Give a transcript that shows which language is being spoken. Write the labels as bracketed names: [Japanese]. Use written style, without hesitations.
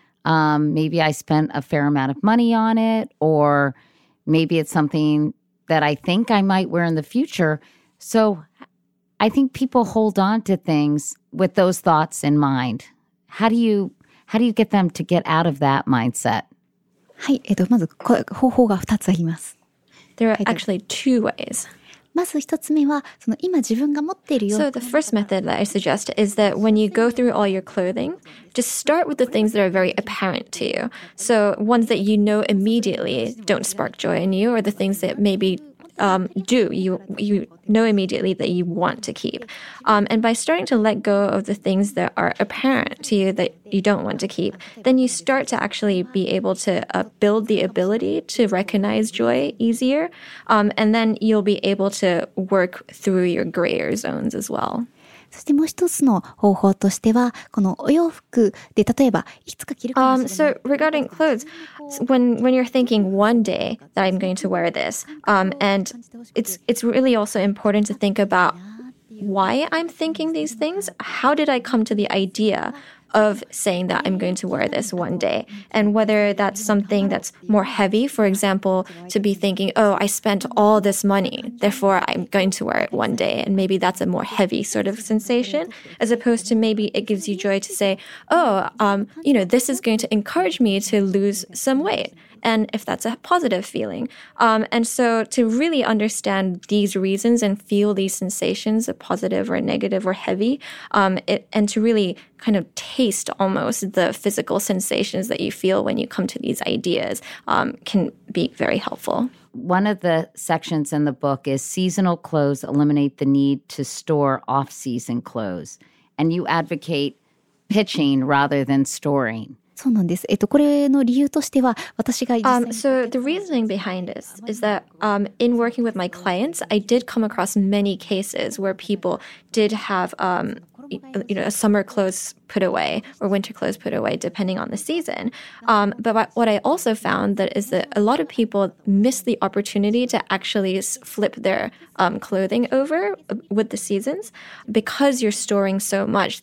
[English] Maybe I spent a fair amount of money on it, or maybe it's something that I think I might wear in the future. So I think people hold on to things with those thoughts in mind. How do you get them to get out of that mindset? [Japanese] はい、まず方法が2つあります。 [English] There are actually two ways. [Japanese] まず1つ目は、その今自分が持っている [English] So the first method that I suggest is that when you go through all your clothing, just start with the things that are very apparent to you. So ones that you know immediately don't spark joy in you, or the things that maybe... do you know immediately that you want to keep. And by starting to let go of the things that are apparent to you that you don't want to keep, then you start to actually be able to build the ability to recognize joy easier. And then you'll be able to work through your grayer zones as well. [Japanese] そしてもう一つの方法としては、このお洋服で例えばいつか着るかもしれない。 [English] So regarding clothes, when you're thinking one day that I'm going to wear this, and it's really also important to think about why I'm thinking these things. How did I come to the idea of saying that I'm going to wear this one day? And whether that's something that's more heavy, for example, to be thinking, oh, I spent all this money, therefore I'm going to wear it one day. And maybe that's a more heavy sort of sensation, as opposed to maybe it gives you joy to say, oh, you know, this is going to encourage me to lose some weight. And if that's a positive feeling. And so to really understand these reasons and feel these sensations, a positive or a negative or heavy, and to really kind of taste almost the physical sensations that you feel when you come to these ideas, can be very helpful. One of the sections in the book is seasonal clothes eliminate the need to store off-season clothes. And you advocate pitching rather than storing. [Japanese] そうなんです。これの理由としては、私が実際に。 [English] So the reasoning behind this is that, in working with my clients, I did come across many cases where people did have, you know, a summer clothes put away or winter clothes put away, depending on the season. But what I also found that is that a lot of people miss the opportunity to actually flip their clothing over with the seasons because you're storing so much.